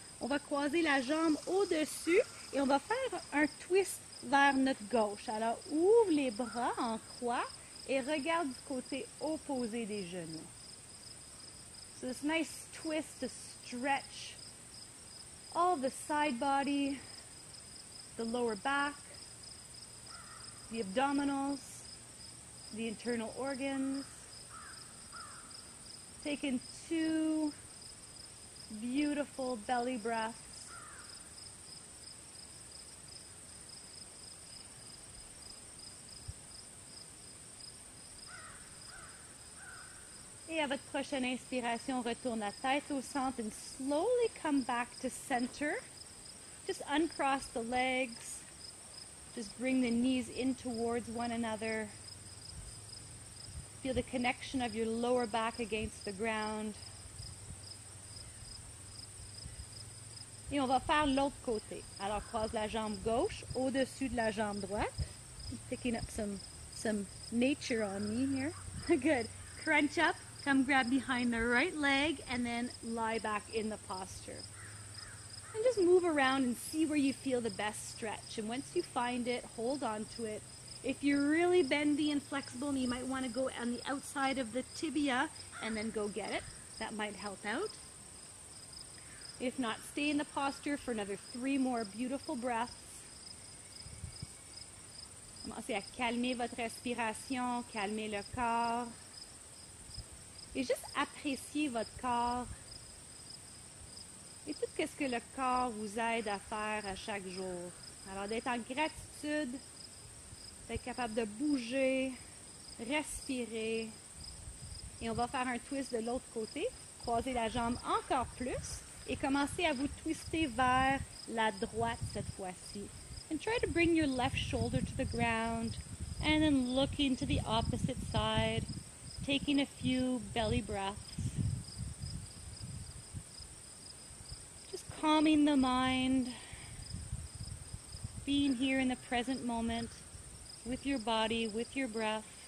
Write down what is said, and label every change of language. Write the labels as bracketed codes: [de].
[fr] on va croiser la jambe au-dessus et on va faire un twist vers notre gauche. Alors, ouvre les bras en croix et regarde du côté opposé des genoux. [en] So, this nice twist to stretch all the side body, the lower back, the abdominals, the internal organs. Take in two beautiful belly breaths. [fr] Et à votre prochaine inspiration, retourne la tête au centre [en] and slowly come back to center. Just uncross the legs. Just bring the knees in towards one another. Feel the connection of your lower back against the ground. [fr] Et on va faire l'autre côté. Alors, croise la jambe gauche au-dessus de la jambe droite. [en] Picking up some nature on me here. Good. Crunch up. Come grab behind the right leg and then lie back in the posture. And just move around and see where you feel the best stretch. And once you find it, hold on to it. If you're really bendy and flexible, you might want to go on the outside of the tibia and then go get it. That might help out. If not, stay in the posture for another three more beautiful breaths. [fr] Commencez à calmer votre respiration, calmer le corps. Et juste appréciez votre corps et tout ce que le corps vous aide à faire à chaque jour. Alors, d'être en gratitude, d'être capable de bouger, respirer. Et on va faire un twist de l'autre côté. Croisez la jambe encore plus et commencez à vous twister vers la droite cette fois-ci. [en] And try to bring your left shoulder to the ground and then looking to the opposite side. Taking a few belly breaths. Just calming the mind. Being here in the present moment with your body, with your breath.